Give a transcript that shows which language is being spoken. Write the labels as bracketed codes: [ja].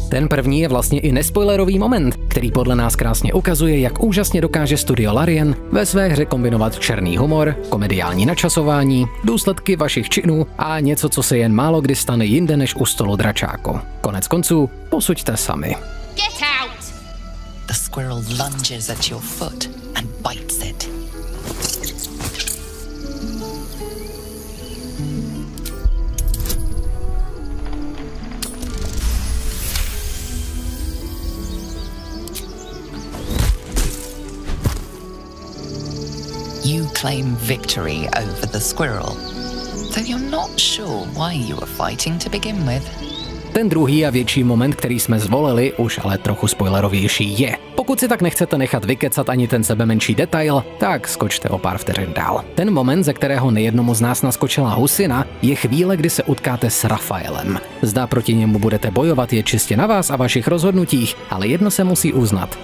[cs] Ten první je vlastně i nespoilerový moment, který podle nás krásně ukazuje, jak úžasně dokáže studio Larian ve své hře kombinovat černý humor, komediální načasování, důsledky vašich činů a něco, co se jen málo kdy stane jinde než u stolu dračáku. Konec konců, posuďte sami. [en] Get out! The squirrel lunges at your foot and bites it. You claim victory over the squirrel, though you're not sure why you were fighting to begin with. [cs] Ten druhý a větší moment, který jsme zvolili, už ale trochu spoilerovější je. Pokud si tak nechcete nechat vykecat ani ten sebemenší detail, tak skočte o pár vteřin dál. Ten moment, ze kterého nejednomu z nás naskočila husina, je chvíle, kdy se utkáte s Rafaelem. Zda proti němu budete bojovat je čistě na vás a vašich rozhodnutích, ale jedno se musí uznat.